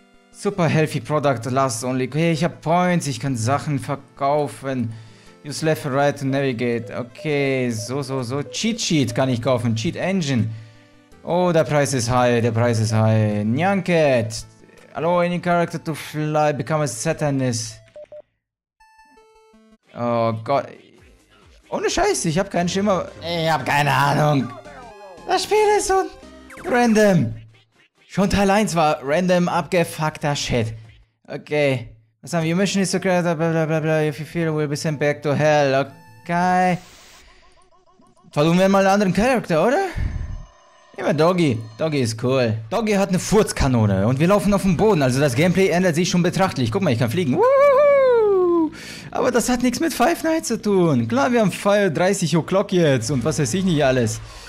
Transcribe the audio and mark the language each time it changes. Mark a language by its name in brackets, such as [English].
[English] Super healthy product, last only. [German] Okay, ich habe Points, ich kann Sachen verkaufen. [English] Use left or right to navigate. [German] Okay, so. Cheat Sheet kann ich kaufen. Cheat Engine. Oh, der Preis ist high. [English] Nyan Cat. Allow any character to fly, become a Satanist. [German] Oh Gott. Ohne Scheiß, ich hab keinen Schimmer. Ich hab keine Ahnung. Das Spiel ist so random. Schon Teil 1 war random, abgefuckter Shit. Okay. Was haben wir? [English] Your mission is to create a bla bla [German] bla. [English] If you feel, we'll be sent back to hell. Okay. [German] Versuchen wir mal einen anderen Charakter, oder? Nehmen wir Doggy. Doggy ist cool. Doggy hat eine Furzkanone und wir laufen auf dem Boden. Also das Gameplay ändert sich schon betrachtlich. Guck mal, ich kann fliegen. Woohoo! Aber das hat nichts mit Five Nights zu tun. Klar, wir haben Feier 30 O'Clock jetzt und was weiß ich nicht alles.